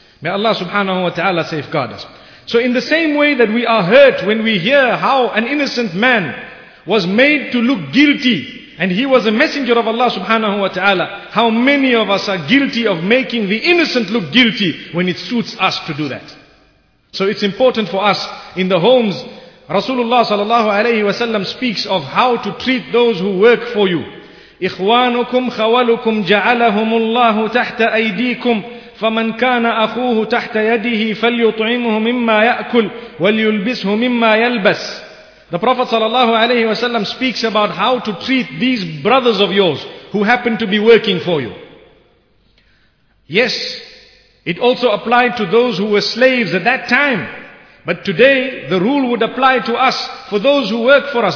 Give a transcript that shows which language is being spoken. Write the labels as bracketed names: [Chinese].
[English] May Allah subhanahu wa ta'ala safeguard us. So in the same way that we are hurt when we hear how an innocent man was made to look guilty, and he was a messenger of Allah subhanahu wa ta'ala, how many of us are guilty of making the innocent look guilty when it suits us to do that? So it's important for us in the homes. Rasulullah sallallahu alayhi wa sallam speaks of how to treat those who work for you. [Arabic] إخوانكم خولكم جعلهم الله تحت أيديكم فمن كان أخوه تحت يده فليطعمه مما يأكل وليلبسه مما يلبس. [English] The Prophet sallallahu alayhi wa sallam speaks about how to treat these brothers of yours who happen to be working for you. Yes, it also applied to those who were slaves at that time. But today, the rule would apply to us, for those who work for us.